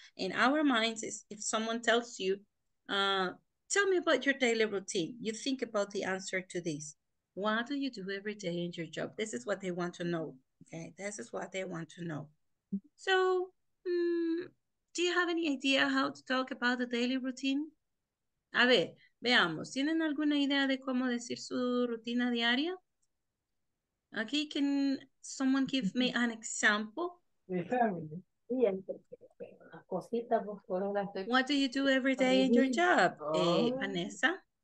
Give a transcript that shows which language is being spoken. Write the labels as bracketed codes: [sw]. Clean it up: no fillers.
[en] In our minds, is if someone tells you, tell me about your daily routine, you think about the answer to this. What do you do every day in your job? This is what they want to know. Okay. This is what they want to know. So do you have any idea how to talk about the daily routine? [es] A ver, veamos. ¿Tienen alguna idea de cómo decir su rutina diaria? [en] Okay, can someone give me an example? What do you do every day in your job, Vanessa?